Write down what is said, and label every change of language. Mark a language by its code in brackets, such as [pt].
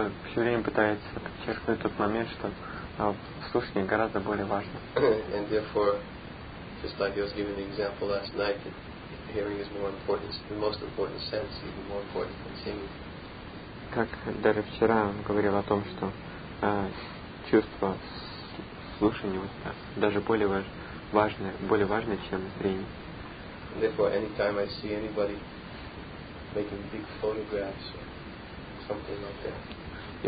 [ru] Все время пытается подчеркнуть тот момент, что слушание гораздо более важно. [en] And therefore, just like I was giving the example last night, that hearing is more important, the most important sense, even more important than seeing. [ru] Как даже вчера он говорил о том, что чувство слушания вот, даже более важное, более важное, чем зрение. [en] And therefore, any time I see anybody making big photographs or something like that.